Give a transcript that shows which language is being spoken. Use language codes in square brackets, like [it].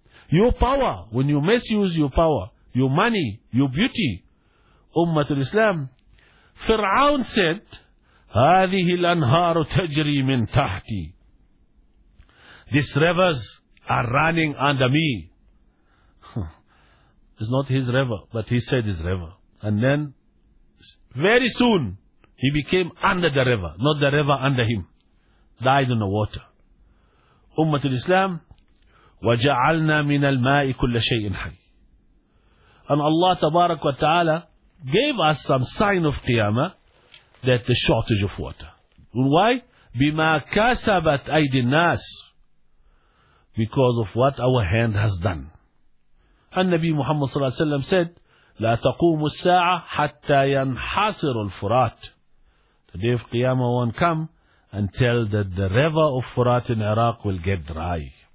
[en] Your power, when you misuse your power, your money, your beauty, Ummatul Islam, Fir'aun said, [ar] هذه الأنهار تجري من تحتي. [en] These rivers are running under me. It's not his river, but he said his river. And then, very soon, he became under the river, not the river under him. Died in the water. [ar] Ummatul Islam, وَجَعَلْنَا مِنَ الْمَاءِ كُلَّ شَيْءٍ حَيٍّ. [en] And Allah Tabarak wa Ta'ala gave us some sign of Qiyamah, that the shortage of water. Why? [ar] بِمَا كَسَبَتْ أَيْدِ النَّاسِ. [en] Because of what our hand has done. And Nabi Muhammad sallallahu alayhi wa sallam said, [ar] لَا تَقُومُ السَّاعَةَ حَتَّى يَنْحَاصِرُ الْفُرَاتِ. [en] The day of Qiyamah won't come until that the river of Furat in Iraq will get dry.